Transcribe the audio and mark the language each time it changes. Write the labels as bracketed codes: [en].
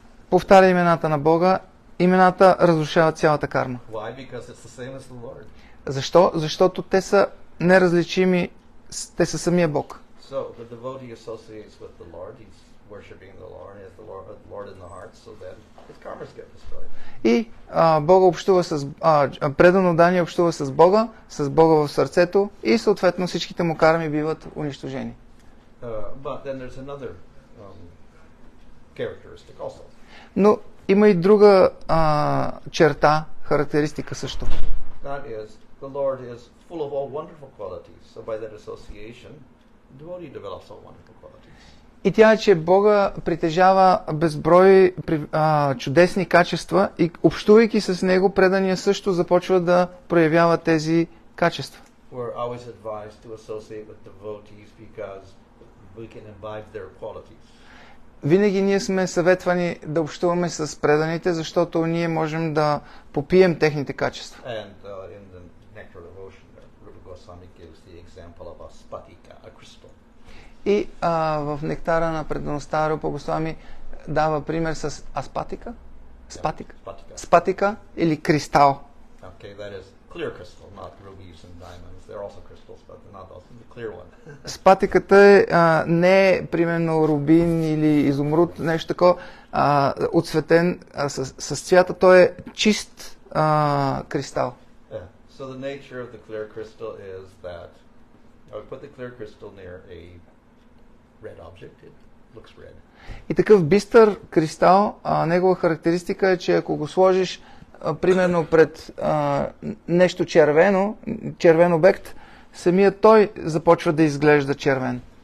[bg] Повтаря имената на Бога, имената разрушават цялата карма. [en] Why? Because it's the same as the Lord. [bg] Защо? Защото те са неразличими, те са самия Бог. [en] So the devotee associates with the Lord, he's worshiping the Lord, he has the Lord, in the heart, so then his karmas get destroyed. [bg] И Бога общува с предано дани общува с Бога, с Бога в сърцето и съответно всичките му карми биват унищожени. [en] But then there's another characteristic also. [bg] Но има и друга черта, характеристика също. [en] That is, the Lord is full of all wonderful qualities. So by that association, the devotee develops all wonderful qualities. [bg] И тя е, че Бога притежава безброй чудесни качества и общувайки с Него, предания също започва да проявява тези качества. [en] We're always advised to associate with devotees because we can imbibe their qualities. [bg] Винаги ние сме съветвани да общуваме с преданите, защото ние можем да попием техните качества. [en] And in the Nectar Devotion, Rupa Goswami gives the example of a spatika, a crystal. [bg] И в Нектара на предаността Рупа Госвами дава пример с аспатика? Спатика? Yeah, спатика или кристал. [en] Okay, that is clear crystal, not rubies and diamonds. They're also crystals, but they're not also the clear one. [bg] Спатиката е не е, примерно рубин или изумруд, нещо такова, отцветен с цвята, той е чист кристал. Yeah. [en] So the nature of the clear crystal is that I would put the clear crystal near a red object, it looks red. [bg] И такъв бистър кристал, негова характеристика е, че ако го сложиш примерно пред нещо червено, червен обект, самият той започва да изглежда червен.